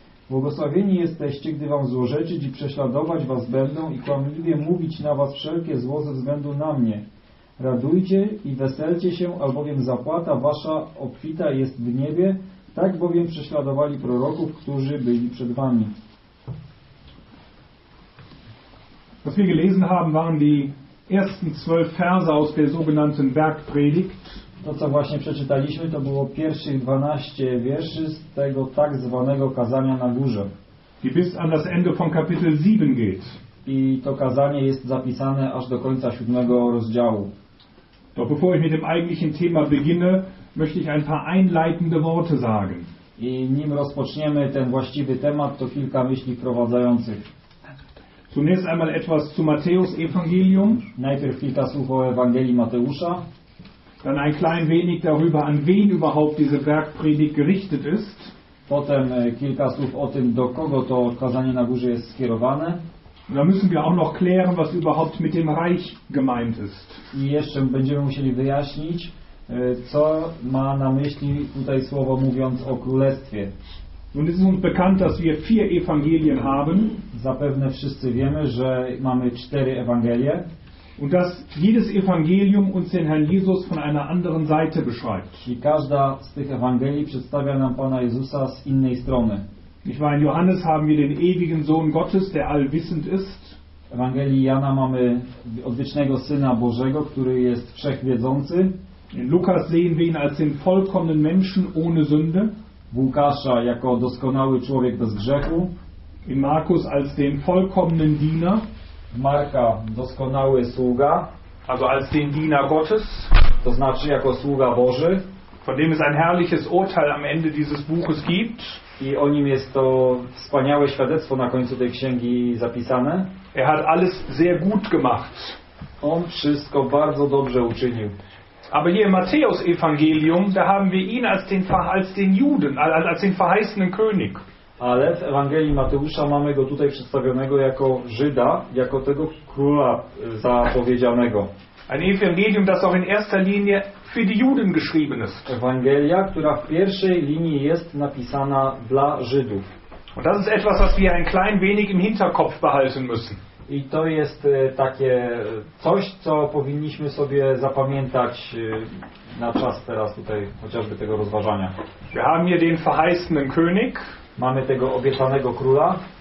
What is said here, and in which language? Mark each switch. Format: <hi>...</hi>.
<pl>Błogosławieni jesteście, gdy wam złorzeczyć i prześladować was będą i kłamliwie mówić na was wszelkie zło ze względu na mnie. Radujcie i weselcie się, albowiem zapłata wasza obfita jest w niebie, tak bowiem prześladowali proroków, którzy byli przed wami.</pl> <de>Was wir gelesen haben, waren die ersten 12 Verse aus der sogenannten Bergpredigt.</de> <pl>To, co właśnie przeczytaliśmy, to było pierwszych 12 wierszy z tego tak zwanego kazania na górze.</pl> <de>Die bis an das Ende von Kapitel 7 geht.</de> <pl>I to kazanie jest zapisane aż do końca 7 rozdziału.</pl> <de>Doch bevor ich mit dem eigentlichen Thema beginne, möchte ich ein paar einleitende Worte sagen.</de> <pl>I nim rozpoczniemy ten właściwy temat, to kilka myśli wprowadzających.</pl> <de>Zunächst einmal etwas zu Matthäus Evangelium.</de> <pl>Najpierw kilka słów o Ewangelii Mateusza.</pl> <de>Dann ein klein wenig darüber, an wen überhaupt diese Bergpredigt gerichtet ist.</de> <pl>Potem kilka słów o tym, do kogo to kazanie na górze jest skierowane.</pl> <de>Und dann müssen wir auch noch klären, was überhaupt mit dem Reich gemeint ist.</de> <pl>I jeszcze będziemy musieli wyjaśnić, co ma na myśli tutaj słowo mówiąc o Królestwie.</pl> <de>Nun ist uns bekannt, dass wir 4 Evangelien haben.</de> <pl>Zapewne wszyscy wiemy, że mamy 4 Ewangelie.</pl> <de>Und dass jedes Evangelium uns den Herrn Jesus von einer anderen Seite beschreibt.</de> <pl>I każda z tych Ewangelii przedstawia nam Pana Jezusa z innej strony.</pl> <de>Ich meine, in Johannes haben wir den ewigen Sohn Gottes, der allwissend ist.</de> <pl>W Ewangelii Jana mamy odwiecznego Syna Bożego, który jest wszechwiedzący.</pl> <de>In Lukas sehen wir ihn als den vollkommenen Menschen ohne Sünde.</de> <pl>W Łukasza jako doskonały człowiek bez grzechu.</pl> <de>In Markus als den vollkommenen Diener.</de> <pl>Marka, doskonały sługa.</pl> <de>Also als den Diener Gottes.</de> <pl>To znaczy jako sługa Boży.</pl> <de>Von dem es ein herrliches Urteil am Ende dieses Buches gibt.</de> <pl>I o nim jest to wspaniałe świadectwo na końcu tej księgi zapisane.</pl> <de>Er hat alles sehr gut gemacht.</de> <pl>On wszystko bardzo dobrze uczynił.</pl> <de>Aber hier im Matthäus Evangelium, da haben wir ihn als den verheißenen König.</de> <pl>Ale w Ewangelii Mateusza mamy go tutaj przedstawionego jako Żyda, jako tego króla zapowiedzianego.</pl> <de>Ein Evangelium, das auch in erster Linie für die Juden geschrieben ist.</de> <pl>Ewangelia, która w pierwszej linii jest napisana dla Żydów.</pl> <de>Und das ist etwas, was wir ein klein wenig im Hinterkopf behalten müssen.</de> <pl>I to jest takie coś, co powinniśmy sobie zapamiętać na czas teraz tutaj, chociażby tego rozważania.</pl> <de>Wir haben hier den verheißenen König.</de> <pl>Mamy tego obiecanego króla,</pl>